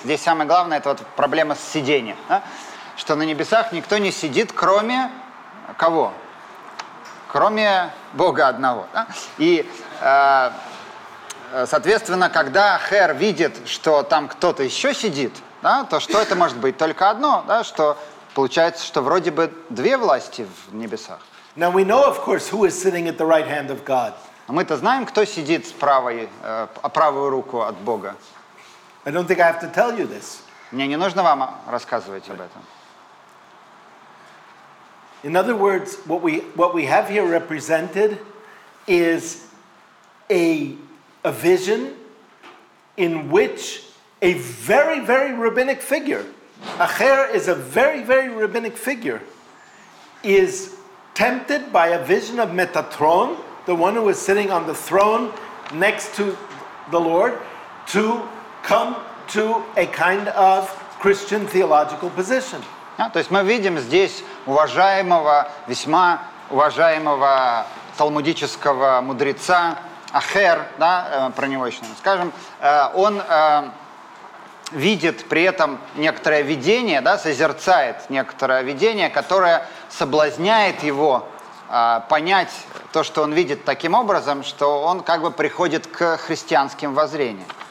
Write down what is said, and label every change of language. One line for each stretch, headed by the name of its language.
Russian: Здесь самое главное – это вот проблема с сидением. Да? Что на небесах никто не сидит, кроме кого? Кроме Бога одного. Да? И, соответственно, когда Хер видит, что там кто-то еще сидит, да, то что это может быть? Только одно, да, что получается, что вроде бы две власти в небесах.
English: Now we know, of course, who is sitting at the right hand of God.
Russian: Мы-то знаем, кто сидит с правую руку от Бога.
English: I don't think I have to tell you this.
Russian: Мне не нужно вам рассказывать об этом.
English: In other words, what we have here represented is a vision in which a very, very rabbinic figure, Ахер is a very, very rabbinic figure, is tempted by a vision of Метатрон, the one who is sitting on the throne next to the Lord, to come to a kind of Christian theological position.
Russian: То есть мы видим здесь уважаемого, весьма уважаемого талмудического мудреца Ахер, да, про него еще скажем, он видит при этом некоторое видение, да, созерцает некоторое видение, которое соблазняет его понять то, что он видит таким образом, что он как бы приходит к христианским воззрениям.